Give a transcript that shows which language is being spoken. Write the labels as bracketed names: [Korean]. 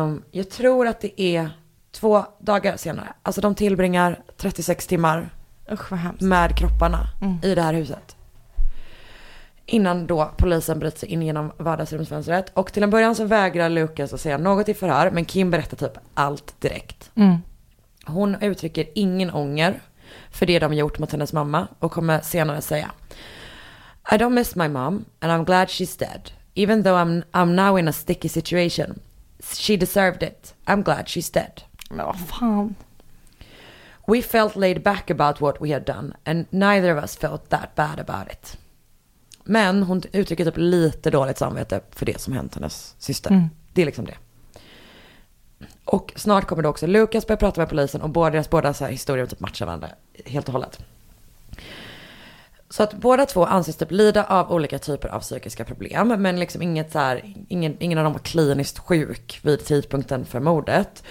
[Swedish] Jag tror att det är 2 dagar senare. Alltså de tillbringar 36 timmar med kropparna i det här huset innan då polisen bryter sig in genom vardagsrumsfönstret. Och till en början så vägrar Lucas att säga något i förhör, men Kim berättar typ allt direkt. Hon uttrycker ingen ånger för det de gjort mot hennes mamma och kommer senare säga: [English] I don't miss my mom and I'm glad she's dead. Even though I'm now in a sticky situation, she deserved it. I'm glad she's dead. [Swedish] Men vad fan. [English] We felt laid back about what we had done and neither of us felt that bad about it. [Swedish] Men hon uttrycker typ lite dåligt samvete för det som hänt hennes syster. Mm. Det är liksom det. Och snart kommer det också Lucas börja prata med polisen och båda så här historier typ matchar varandra helt och hållet. Så att båda två anses typ lida av olika typer av psykiska problem, men liksom inget så här, ingen av dem var kliniskt sjuk vid tidpunkten för mordet.